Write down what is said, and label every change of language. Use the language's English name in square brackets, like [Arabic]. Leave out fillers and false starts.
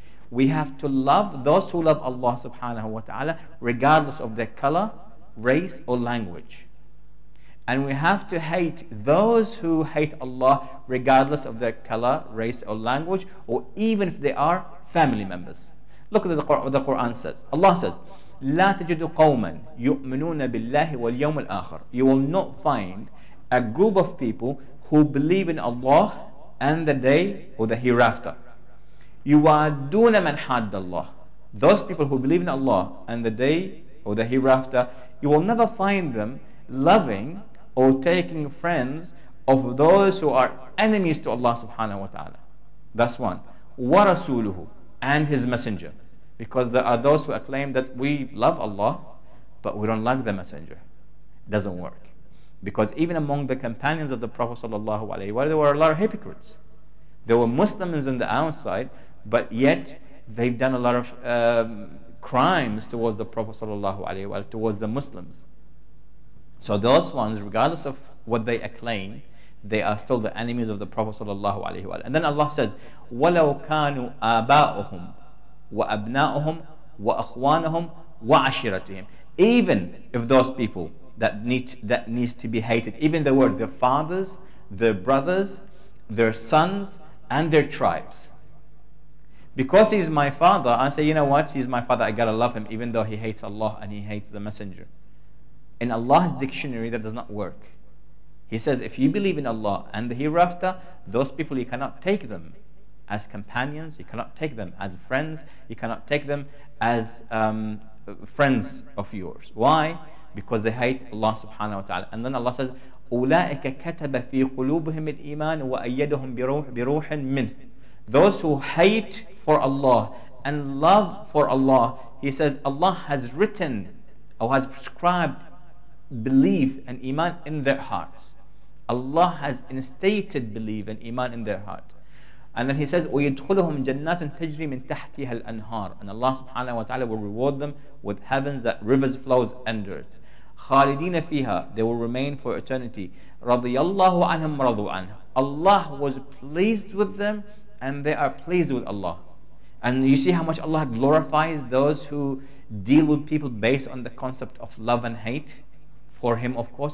[English] We have to love those who love Allah subhanahu wa ta'ala, regardless of their color, race, or language. And we have to hate those who hate Allah, regardless of their color, race, or language, or even if they are family members. Look at what the Quran says. Allah says, [Arabic] لَا تَجِدُ قَوْمًا يُؤْمِنُونَ بِاللَّهِ وَالْيَوْمِ الْآخِرِ. [English] You will not find a group of people who believe in Allah and the day or the hereafter. [Arabic] يُوَادُونَ مَنْ حَدَّ اللَّهِ. [English] Those people who believe in Allah and the day or the hereafter, you will never find them loving or taking friends of those who are enemies to Allah subhanahu wa ta'ala. That's one. [Arabic] وَرَسُولُهُ. [English] And his messenger. Because there are those who acclaim that we love Allah, but we don't like the messenger. It doesn't work. Because even among the companions of the Prophet sallallahu alayhi wa sallam, there were a lot of hypocrites. There were Muslims on the outside, but yet they've done a lot of crimes towards the Prophet sallallahu alayhi wa sallam, towards the Muslims. So those ones, regardless of what they acclaim, they are still the enemies of the Prophet sallallahu alayhi wa sallam. And then Allah says, [Arabic] وَلَوْ كَانُوا آبَاؤُهُمْ وَأَبْنَاؤُهُمْ وَأَخْوَانَهُمْ وَعَشِرَتُهُمْ. [English] Even if those people that needs to be hated, even they were their fathers, their brothers, their sons, and their tribes. Because he's my father, I say, you know what? He's my father, I gotta love him, even though he hates Allah and he hates the messenger. In Allah's dictionary, that does not work. He says, if you believe in Allah and the hereafter, those people, you cannot take them as companions, you cannot take them as friends, you cannot take them as friends of yours. Why? Because they hate Allah subhanahu wa ta'ala. And then Allah says, [Arabic] أُولَٰئِكَ كَتَبَ فِي قُلُوبِهِمِ الْإِيمَانِ وَأَيَّدَهُمْ بِرُوحٍ مِّنْهِ. [English] Those who hate for Allah and love for Allah, he says, Allah has written or has prescribed belief and iman in their hearts. Allah has instated belief and iman in their heart. And then he says, [Arabic] وَيَدْخُلُهُمْ جَنَّاتٌ تَجْرِي مِنْ تَحْتِهَا الْأَنْهَارِ. [English] And Allah subhanahu wa ta'ala will reward them with heavens that rivers flows under it. [Arabic] خَالِدِينَ فِيهَا. [English] They will remain for eternity. [Arabic] رَضِيَ اللَّهُ عَنْهُمْ رَضُوا عَنْهُ. [English] Allah was pleased with them and they are pleased with Allah. And you see how much Allah glorifies those who deal with people based on the concept of love and hate for him, of course.